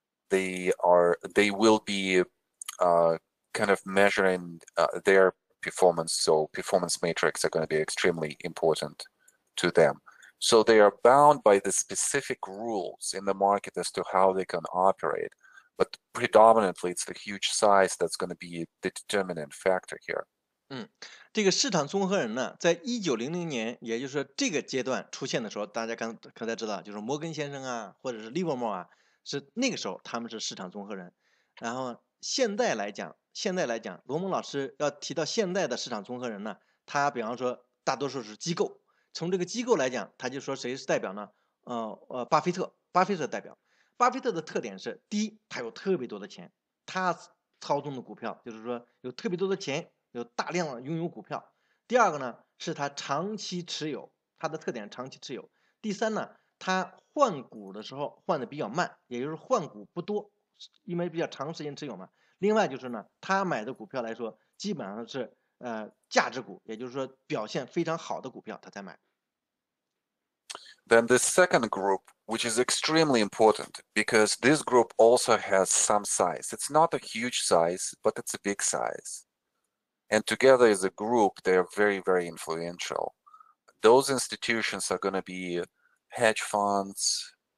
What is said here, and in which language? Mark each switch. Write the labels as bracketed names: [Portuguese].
[English] They will be kind of measuring their performance. So performance metrics are going to be extremely important to them. So they are bound by the specific rules in the market as to how they can operate. But predominantly, it's the huge size that's going to be the determinant factor here. [Chinese] 这个市场综合人呢，在1900年，也就是说这个阶段出现的时候，大家刚才知道，就是摩根先生啊，或者是利伯莫啊，是那个时候他们是市场综合人。然后现在来讲，罗蒙老师要提到现在的市场综合人呢，他比方说大多数是机构。从这个机构来讲，他就说谁是代表呢？巴菲特代表。巴菲特的特点是，第一，他有特别多的钱，他操纵的股票，就是说有特别多的钱，有大量的拥有股票。第二个呢，是他长期持有，他的特点长期持有。第三呢，他换股的时候换的比较慢，也就是换股不多，因为比较长时间持有嘛。另外就是呢，他买的股票来说，基本上是价值股，也就是说表现非常好的股票他才买。 [English] Then the second group, which is extremely important, because this group also has some size. It's not a huge size, but it's a big size. And together as a group, they're very, very influential. Those institutions are going to be hedge funds.